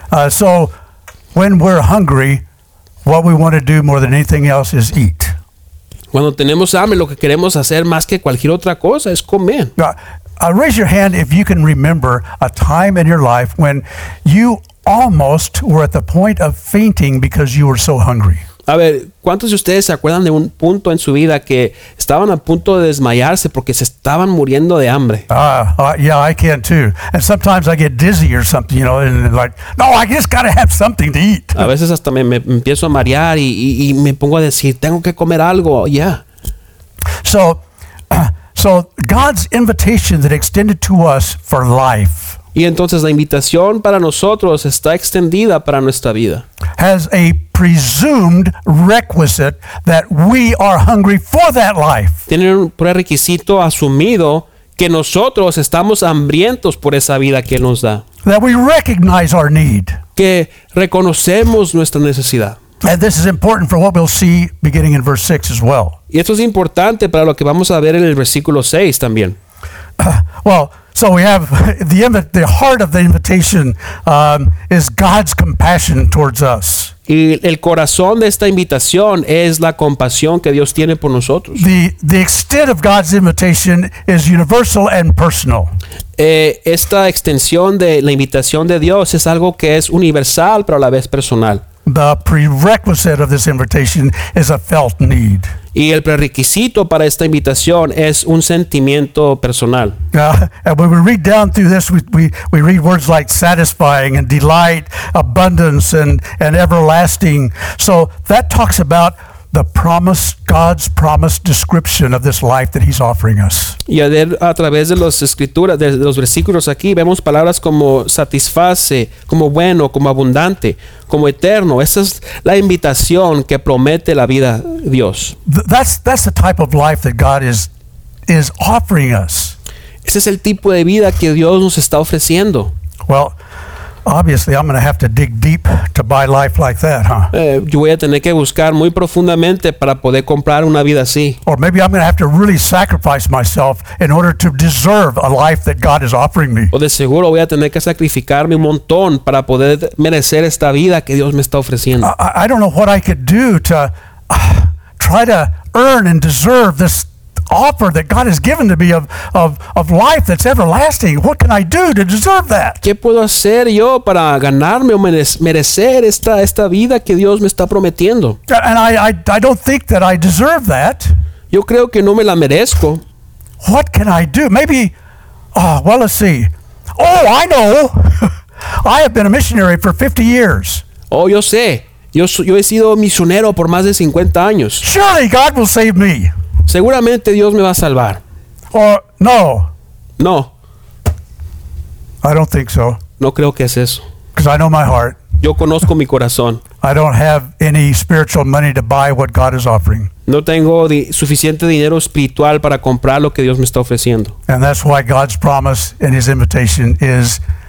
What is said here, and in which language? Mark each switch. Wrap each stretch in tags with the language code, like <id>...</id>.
<en>So when we're hungry, what we want to do more than anything else is eat.</en> <es>Cuando tenemos hambre, lo que queremos hacer más que cualquier otra cosa es comer.</es> <en>Raise your hand if you can remember a time in your life when you almost were at the point of fainting because you were so hungry.</en> <es>A ver, ¿cuántos de ustedes se acuerdan de un punto en su vida que estaban a punto de desmayarse porque se estaban muriendo de hambre?</es> <en>Yeah, I can too. And sometimes I get dizzy or something, you know, and like, no, I just gotta have something to eat.</en> <es>A veces hasta me empiezo a marear y me pongo a decir, tengo que comer algo, yeah.</es> <en>So God's invitation that extended to us for life.</en> <es>Y entonces la invitación para nosotros está extendida para nuestra vida.</es> <en>Has a presumed requisite that we are hungry for that life.</en> <es>Tiene un prerequisito asumido que nosotros estamos hambrientos por esa vida que nos da.</es> <en>That we recognize our need.</en> <es>Que reconocemos nuestra necesidad.</es> <en>And this is important for what we'll see beginning in verse 6 as well.</en> <es>Y esto es importante para lo que vamos a ver en el versículo 6 también.</es> <en>Well, so we have the heart of the invitation is God's compassion towards us.</en> <es>Y el corazón de esta invitación es la compasión que Dios tiene por nosotros.</es> <en>The extent of God's invitation is universal and personal.</en> <es>Esta extensión de la invitación de Dios es algo que es universal pero a la vez personal.</es> <en>The prerequisite of this invitation is a felt need.</en> <es>Y el prerequisito para esta invitación es un sentimiento personal.</es> <en>And when we read down through this, we read words like satisfying and delight, abundance and everlasting. So that talks about the promise, God's promise description of this life that he's offering us.</en> <es>Y a través de las escrituras, de los versículos aquí, vemos palabras como satisface, como bueno, como abundante, como eterno. Esa es la invitación que promete la vida Dios.</es> <en>That's the type of life that God is offering us.</en> <es>Ese es el tipo de vida que Dios nos está ofreciendo.</es> <en>Well, obviously, I'm going to have to dig deep to buy life like that, huh?</en> <es>Yo voy a tener que buscar muy profundamente para poder comprar una vida así.</es> <en>Or maybe I'm going to have to really sacrifice myself in order to deserve a life that God is offering me.</en> <es>O de seguro voy a tener que sacrificarme un montón para poder merecer esta vida que Dios me está ofreciendo.</es> <en>I don't know what I could do to try to earn and deserve this offer that God has given to me of life that's everlasting. What can I do to deserve that?</en> <es>¿Qué puedo hacer yo para ganarme o merecer esta vida que Dios me está prometiendo?</es> <en>And I don't think that I deserve that.</en> <es>Yo creo que no me la merezco.</es> <en>What can I do? Maybe, let's see. Oh, I know. I have been a missionary for 50 years.</en> <es>Oh, yo sé. Yo he sido misionero por más de 50 años.</es> <en>Surely God will save me.</en> <es>Seguramente Dios me va a salvar.</es> <en>No. I don't think so.</en> <es>No creo que es eso.</es> <en>Because I know my heart.</en> <es>Yo conozco mi corazón.</es> <en>I don't have any spiritual money to buy what God is offering.</en> <es>No tengo suficiente dinero espiritual para comprar lo que Dios me está ofreciendo.</es> <en>And that's why God's promise and his invitation is</en>